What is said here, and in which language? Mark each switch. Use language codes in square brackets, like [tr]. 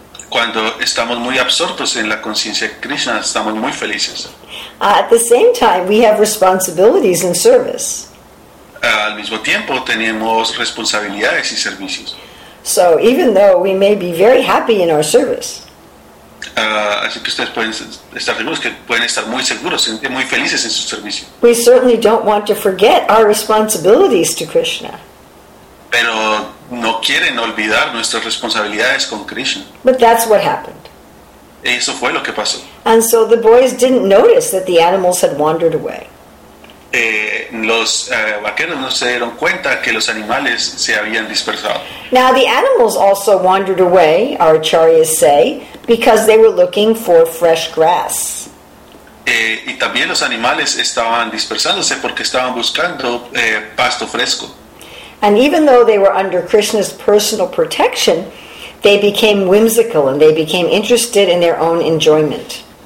[es] Cuando estamos muy absortos en la conciencia de Krishna, estamos muy felices. [en] At the same time, we have responsibilities in service. [es] Al mismo tiempo, tenemos responsabilidades y servicios. [en] So, even though we may be very happy in our service. [es] Así que ustedes pueden estar muy seguros y muy felices en su servicio. [en] We certainly don't want to forget our responsibilities to Krishna. [es] Pero no quieren olvidar nuestras responsabilidades con Krishna. [en] But that's what happened. [es] Eso fue lo que pasó. [en] And so the boys didn't notice that the animals had wandered away. [es] Los vaqueros no se dieron cuenta que los animales se habían dispersado. [en] Now the animals also wandered away, our acharyas say, because they were looking for fresh grass. [es] Y también los animales estaban dispersándose porque estaban buscando pasto fresco. [en] And even though they were under Krishna's personal protection, they became whimsical and they became interested in their own enjoyment.